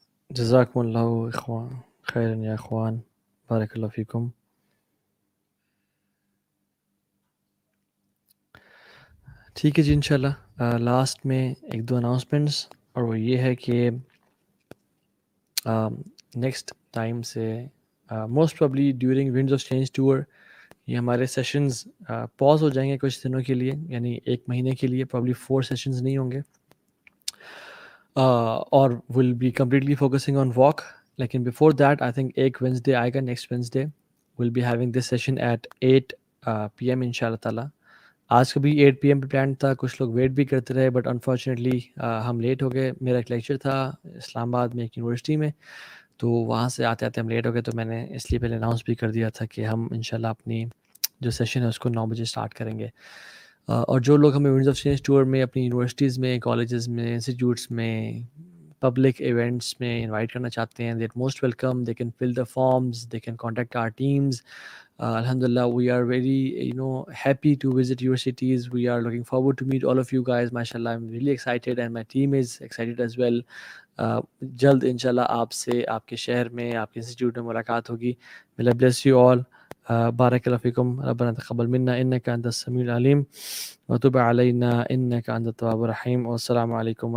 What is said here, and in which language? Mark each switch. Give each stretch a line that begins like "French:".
Arabic: جزاكم الله إخوان خيرا يا إخوان، بارك الله فيكم.
Urdu: ٹھیک ہے جی، انشاءاللہ لاسٹ میں ایک دو اناؤنسمنٹس، اور وہ یہ ہے کہ نیکسٹ ٹائم سے most probably during winds of change tour یہ ہمارے سیشنز پاز ہو جائیں گے کچھ دنوں کے لیے، یعنی ایک مہینے کے لیے پرابلی 4 سیشنز نہیں ہوں گے، اور
English: Will be completely focusing on walk. لیکن before that I think
Urdu: ایک وینس ڈے آئے گا،
English: Next Wednesday will be having this session at 8 p m ان شاء اللہ تعالیٰ.
Urdu: آج کا بھی 8 پی ایم پہ پلان تھا، کچھ لوگ ویٹ بھی کرتے رہے
English: but unfortunately
Urdu: ہم لیٹ ہو گئے. میرا ایک لیکچر تھا اسلام آباد میں ایک یونیورسٹی میں، تو وہاں سے آتے آتے ہم لیٹ ہو گئے، تو میں نے اس لیے پہلے اناؤنس بھی کر دیا تھا کہ ہم ان شاء اللہ اپنی جو سیشن ہے اس کو 9 بجے اسٹارٹ کریں گے. اور جو لوگ ہمیں ونڈز آف چینج ٹور میں اپنی یونیورسٹیز میں، کالجز میں، انسٹیٹیوٹس میں، پبلک ایونٹس میں انوائٹ کرنا چاہتے ہیں،
English: That most welcome. They can fill the forms, they can contact our teams. الحمد للہ we are very happy to visit your cities, we are looking forward to meet all of you guys. ماشاء اللہ I am really excited and my team is excited as well.
Urdu: جلد ان شاء اللہ آپ سے آپ کے شہر میں، آپ کے انسٹیٹیوٹ میں ملاقات ہوگی.
English: May Allah bless you all.
Arabic: بارك الله فيكم. ربنا تقبل منا انك انت السميع العليم، وتب علينا انك انت التواب الرحيم. والسلام عليكم ورحمة